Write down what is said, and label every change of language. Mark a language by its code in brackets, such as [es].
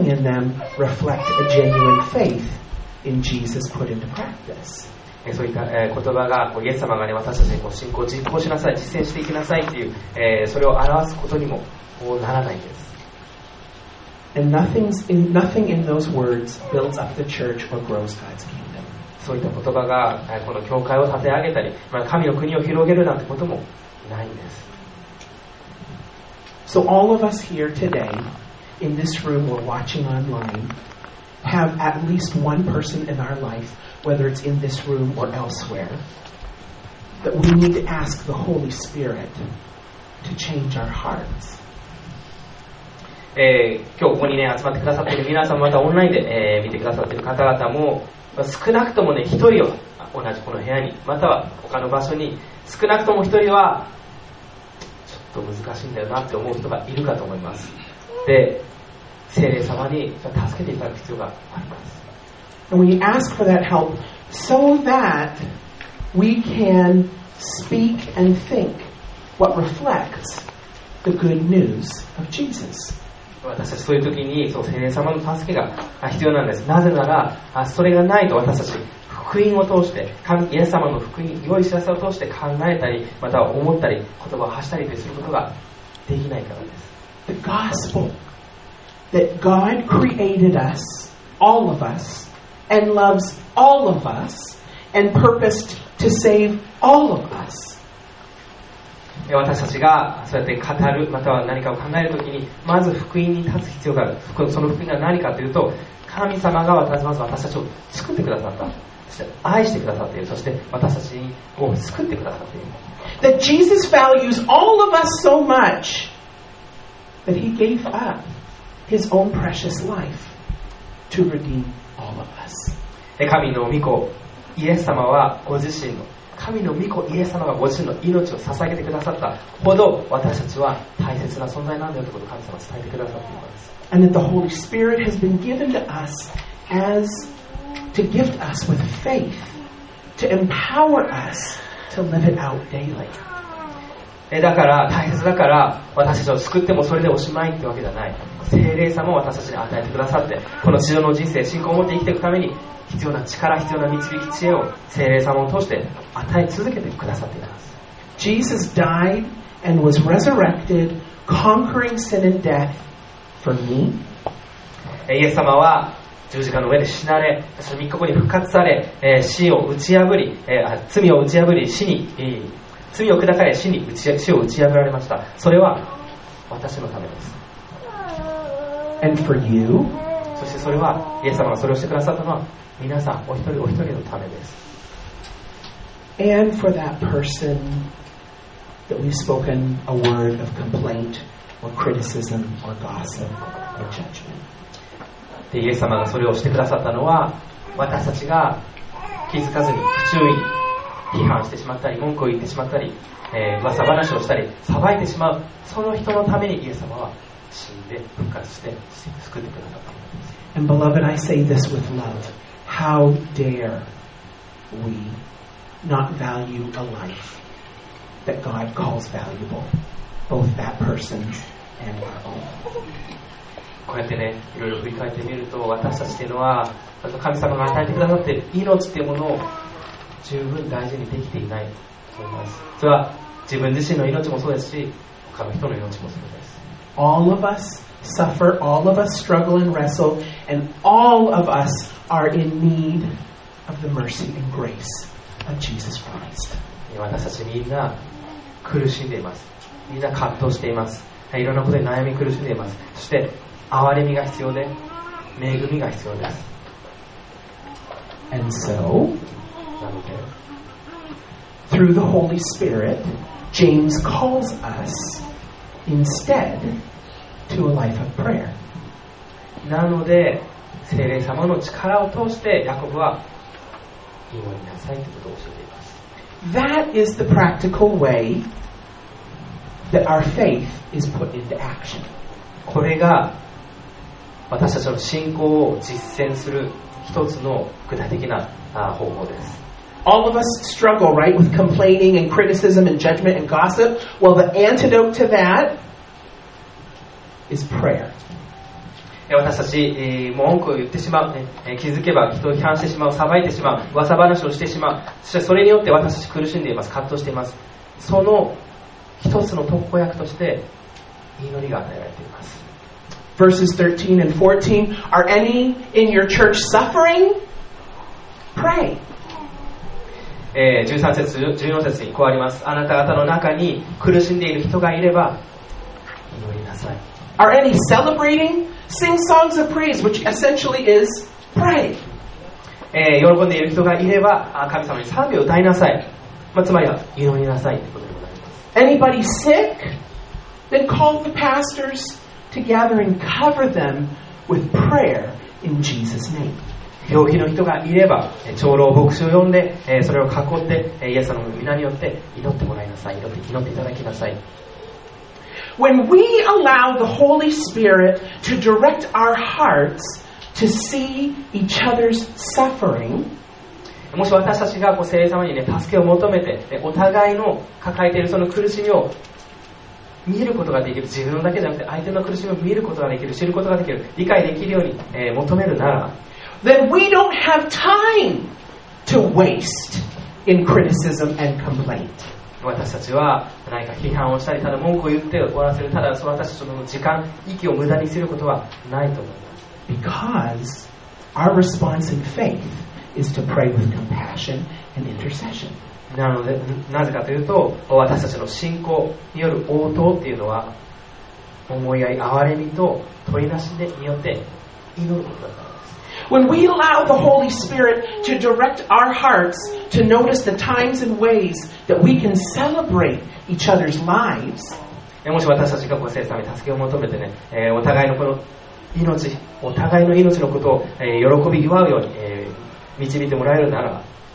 [en] Nothing in them reflect a genuine faith in Jesus put into practice. [ja] そういった言葉がイエス様が、ね、私たちに信仰を実行しなさい実践していきなさいというそれを表すことにもならないです。 [en] And nothing in those words builds up the church or grows God's kingdom. [ja] そういった言葉がこの教会を立て上げたり神の国を広げるなんてこともないんです。 [en] So all of us here today in this room or watching onlineHave at least one person in our life, whether it's in this room or elsewhere, that we need to ask the Holy Spirit to change our hearts. [ja] 今日ここにね集まってくださっている皆さんまたオンラインで、見てくださっている方々も、まあ、少なくともね一人は同じこの部屋にまたは他の場所に少なくとも一人はちょっと難しいんだよなって思う人がいるかと思います。で。聖霊様に助けていただく必要があります。 [en] And we ask for that help so that we can speak and think what reflects the good news of Jesus. [ja] 私たちそういう時にその聖霊様の助けが必要なんです。なぜならそれがないと私たち福音を通してイエス様の福音良い知らせを通して考えたりまたは思ったり言葉を発したりすることができないからです。 [en] The gospel that God created us all of us and loves all of us and purposed to save all of us。 [ja] 私たちがそうやって語るまたは何かを考えるときにまず福音に立つ必要がある。その福音が何かというと神様がまず私たちを作ってくださった、そして愛してくださっている、そして私たちを救ってくださっている。 [en] That Jesus values all of us so much that he gave up his own precious life to redeem all of us。 [ja] 神の御子イエス様はご自身の神の御子イエス様がご自身の命を捧げてくださったほど私たちは大切な存在なんだよということを神様は伝えてくださっています。 [en] And that the Holy Spirit has been given to us as to gift us with faith to empower us to live it out daily。 [ja] だから大切だから私たちを救ってもそれでおしまいってわけじゃない。聖霊様を私たちに与えてくださってこの地上の人生信仰を持って生きていくために必要な力、必要な導き、知恵を聖霊様を通して与え続けてくださっています。 [en] Jesus died and was resurrected, conquering sin and death for me。 [ja] イエス様は十字架の上で死なれ、その三日後に復活され、死を打ち破り、罪を打ち破り、死に、罪を砕かれ、死を打ち破られました。それは私のためです。 [en] And for you。 [ja] そしてそれはイエス様がそれをしてくださったのは。皆さんお一人お一人のためです。 [en] And for that person that we've spoken a word of complaint or criticism or gossip or judgment。 [ja] でイエス様がそれをしてくださったのは私たちが気づかずに不注意批判してしまったり文句を言ってしまったり、噂話をしたり裁いてしまうその人のためにイエス様は死んで復活して救ってくださった。 [en] And beloved, I say this with love. How dare we not value a life that God calls valuable, both that person's and our own? [ja] こうやってね、いろいろ振り返ってみると、私たちっていうのは、神様が与えてくださっている命っていうものを十分大事にできていないと思います。それは自分自身の命もそうですし、他の人の命もそうです。 [en] All of us suffer, all of us struggle and wrestle, and all of us. Are in need of the mercy and grace of Jesus Christ. [ja] 私たちみんな苦しんでいます。みんな葛藤しています。いろんなことで悩み苦しんでいます。そして憐れみが必要で恵みが必要です。 [en] And so, through the Holy Spirit, James calls us instead to a life of prayer. [ja] なので聖霊様の力を通してヤコブは祈りなさいということを教えています。 [en] That is the practical way that our faith is put into action. [ja] これが私たちの信仰を実践する一つの具体的な方法です。 [en] All of us struggle, right, with complaining and criticism and judgment and gossip. Well, the antidote to that is prayer. [ja] 私たち文句を言ってしまう、気づけば人を批判してしまう、裁いてしまう、噂話をしてしまう、それによって私たち苦しんでいます、葛藤しています。その一つの特効薬として祈りが与えられています。 [en] Verses 13 and 14 Are any in your church suffering? Pray、 [ja] 13節14節にこうあります。あなた方の中に苦しんでいる人がいれば祈りなさい。 [en] Are any celebrating? Sing songs of praise, which essentially is pray. [ja] 喜んでいる人がいれば、神様に賛美を歌いなさい。つまりは祈りなさいということでございます。 [en] Anybody sick? Then call the pastors to gather and cover them with prayer in Jesus' name. [ja] 病気の人がいれば、長老牧師を呼んで、それを囲って、イエス様の御名によって祈ってもらいなさい。祈っていただきなさい。 [en] When we allow the Holy Spirit to direct our hearts to see each other's suffering, [ja] もし私たちが聖霊様に、ね、助けを求めて、お互いの抱えているその苦しみを見ることができる、自分だけじゃなくて相手の苦しみを見ることができる、知ることができる、理解できるように、求めるなら、 [en] Then we don't have time to waste in criticism and complaint. [ja] 私たちは何か批判をしたり、ただ文句を言って終わらせる、ただ私たちの時間、息を無駄にすることはないと思います。 [en] Because our response in faith is to pray with compassion and intercession. [ja] なので、なぜかというと、私たちの信仰による応答というのは、思いやり、憐れみと取り出しによって祈ることだからです。 [en] When we allow the Holy Spirit to direct our hearts to notice the times and ways that we can celebrate each other's lives, [ja] もし私たちがご聖さんに助けを求めてね、お互いのこの命、お互いの命のことを、喜び祝うように、導いてもらえるならば、